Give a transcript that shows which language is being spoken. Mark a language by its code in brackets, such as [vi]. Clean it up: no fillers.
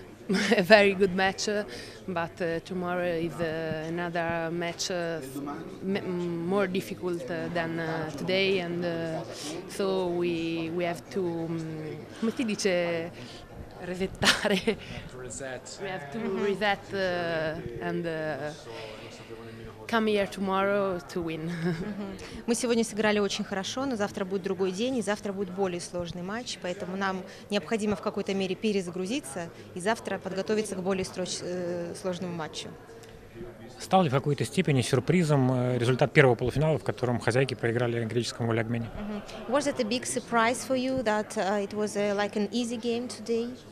[en] A very good match, but tomorrow is another match more difficult than today, and so we have to come [it] ti dice resettare. [en] We have to reset and come here tomorrow to win. [ru] Мы сегодня сыграли очень хорошо, но завтра будет другой день, и завтра будет более сложный матч, поэтому нам необходимо в какой-то мере перезагрузиться и завтра подготовиться к более сложному матчу. Стал ли в какой-то степени сюрпризом результат первого полуфинала, в котором хозяйки проиграли греческому Олегмени? [en] Was it a big surprise for you that it was like an easy game today?